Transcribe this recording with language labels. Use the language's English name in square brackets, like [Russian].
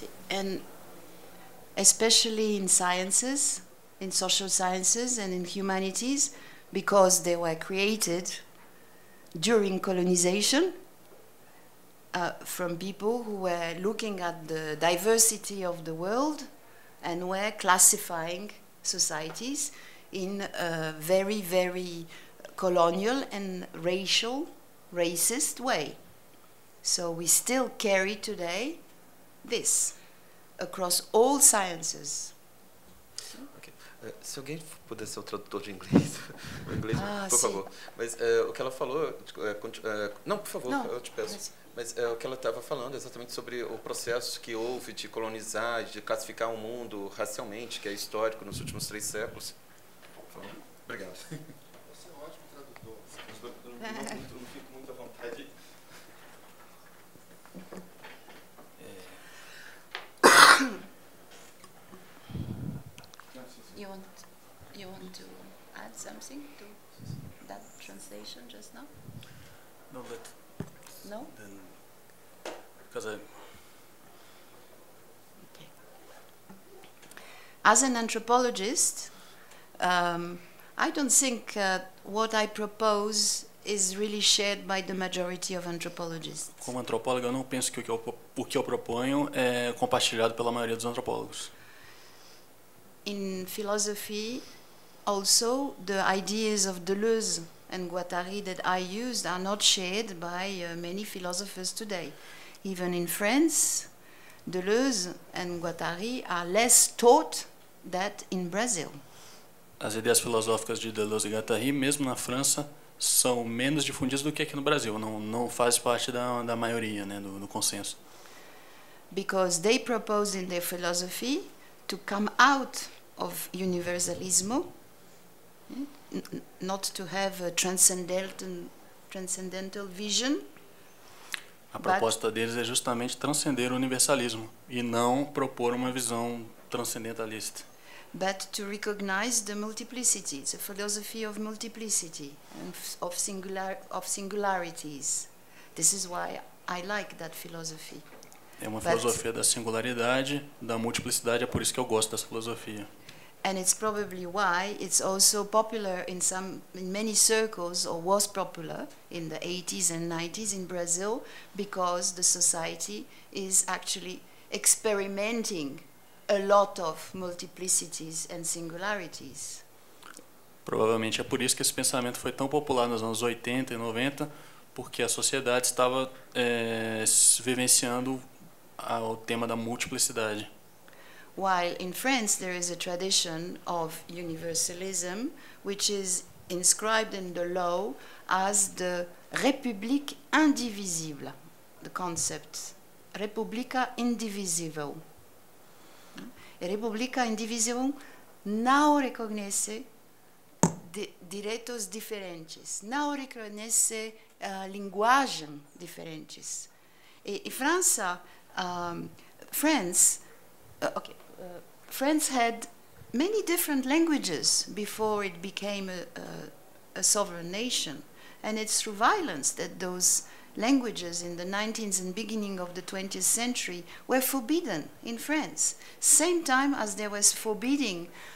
[English] And especially in sciences, in social sciences and in humanities, because they were created during colonization from people who were looking at the diversity of the world and were classifying societies in a very, very colonial and racial, racist way. So we still carry today this across all sciences. [Portuguese] Se alguém puder ser o tradutor de inglês, por favor. Mas o que ela falou... não, por favor, não, eu te peço. Mas o que ela estava falando exatamente sobre o processo que houve de colonizar, de classificar o mundo racialmente, que é histórico, nos últimos 3 séculos. Obrigado. Você é um ótimo tradutor. Eu não fico muito à vontade. [English] You want to add something to that translation just now? No, but no. Then, because I. Okay. As an anthropologist, I don't think what I propose is really shared by the majority of anthropologists. [Portuguese] Como antropóloga, eu não penso que o que eu proponho é compartilhado pela maioria dos antropólogos. [English] In philosophy, also, the ideas of Deleuze and Guattari that I used are not shared by many philosophers today. Even in France, Deleuze and Guattari are less taught than in Brazil. [Portuguese] As ideias filosóficas de Deleuze e Guattari, mesmo na França, são menos difundidas do que aqui no Brasil. Não faz parte da maioria, né, do consenso. [English] Because they propose in their philosophy to come out of universalismo, not to have a transcendental vision. [Portuguese] A proposta deles é justamente transcender o universalismo e não propor uma visão transcendentalista. [English] But to recognize the multiplicity, the philosophy of multiplicity and of singularities. This is why I like that philosophy. [Portuguese] É uma filosofia da singularidade, da multiplicidade, é por isso que eu gosto dessa filosofia. [English] And it's probably why it's also popular in many circles, or was popular in the 80s and 90s in Brazil, because the society is actually experimenting a lot of multiplicities and singularities. [Portuguese] Provavelmente é por isso que esse pensamento foi tão popular nos anos 80 e 90, porque a sociedade estava vivenciando ao tema da multiplicidade. [English] While in France there is a tradition of universalism, which is inscribed in the law as the République indivisible, the concept Republica indivisible. [Portuguese] E Republica indivisible não reconhece direitos diferentes, não reconhece linguagens diferentes. E França, [English] France had many different languages before it became a sovereign nation, and it's through violence that those languages in the 19th and beginning of the 20th century were forbidden in France, same time as there was forbidding